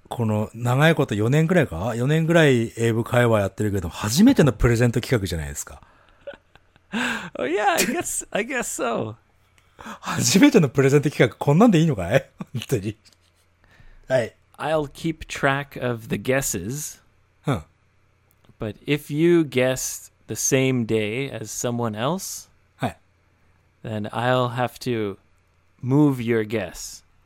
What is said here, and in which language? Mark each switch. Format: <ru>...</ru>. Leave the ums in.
<ja>この長いこと4年くらいか ?4 年くらい英語会話やってるけど、初めてのプレゼント企画じゃないですか。</ja> <en>oh, yeah, I guess, I guess so.</en> <ja>初めてのプレゼント企画、こんなんでいいのかい本当に。はい。</ja> <en>I'll keep track of the guesses. But if you guess the same day as someone else, then I'll have to move your guess.</en>